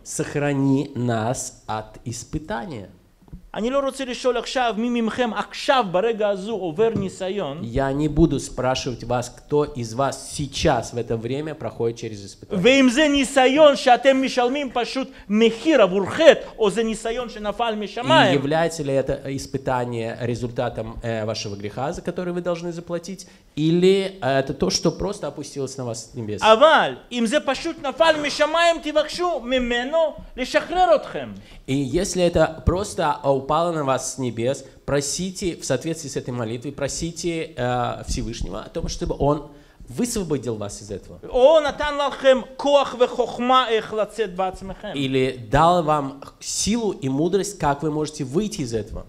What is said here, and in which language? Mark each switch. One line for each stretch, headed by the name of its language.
Russian: Сохрани нас от испытания.
Hebrew: אני לא רוצה לשאול עכשיו מי ממכם עכשיו ברגע הזו עובר ניסיון.
Russian: Я не буду спрашивать вас, кто из вас сейчас в это время проходит через испытание.
Hebrew: ואם זה ניסיון שאתם משלמים פשוט מחיר עבור חטא, או זה ניסיון שנפל משמיים.
Russian: И является ли это испытание результатом вашего греха, за который вы должны заплатить, или это то, что просто опустилось на вас с небес?
Hebrew: אבל אם זה פשוט נפל משמיים, תבקשו ממנו לשחרר אתכם.
Russian: И если это просто упало на вас с небес, просите, в соответствии с этой молитвой, просите Всевышнего о том, чтобы Он высвободил вас из этого. Или дал вам силу и мудрость, как вы можете выйти из этого.